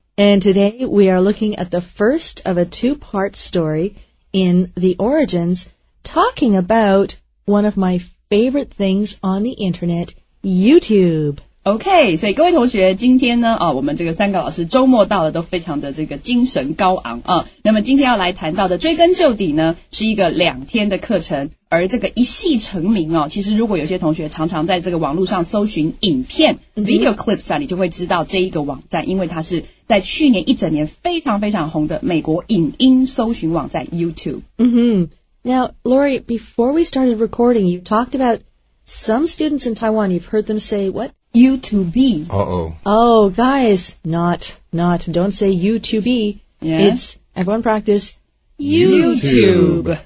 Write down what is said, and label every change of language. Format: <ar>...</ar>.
<en>And today we are looking at the first of a two-part story in The Origins, talking about one of my favorite things on the internet, YouTube.</en> <zh>OK, 所以各位同学今天呢、我们这个三个老师周末到了都非常的这个精神高昂、那么今天要来谈到的追根究底呢是一个两天的课程，而这个一系成名、其实如果有些同学常常在这个网络上搜寻影片、</zh> <en>video clips</en> <zh>啊，你就会知道这一个网站，因为它是在去年一整年非常非常红的美国影音搜寻网站 YouTube、</zh> <en>Now, Lori, before we started recording, you talked about some students in Taiwan, you've heard them say what U2B. Oh, guys, not, don't say U2B. Yeah. It's, everyone practice, YouTube.</en>